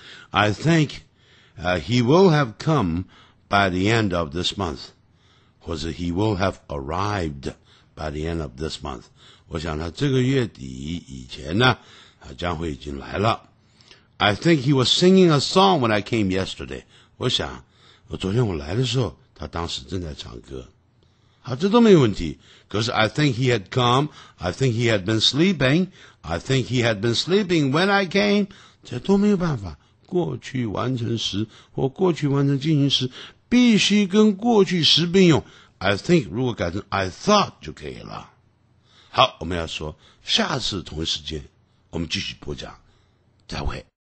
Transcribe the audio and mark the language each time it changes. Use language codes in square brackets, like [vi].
[en] I think he will have come by the end of this month， [zh] 或者 [en] he will have arrived by the end of this month。 [zh] 我想他这个月底以前呢，他将会已经来了。 [en] I think he was singing a song when I came yesterday。 [zh] 我想，我昨天我来的时候，他当时正在唱歌。好，这都没问题。可是 [en] I think he had come, I think he had been sleeping, I think he had been sleeping when I came, [zh] 这都没有办法。过去完成时或过去完成进行时必须跟过去时并用。 [en] I think [zh] 如果改成 [en] I thought [zh] 就可以了。好，我们要说下次同一时间我们继续播讲。再会。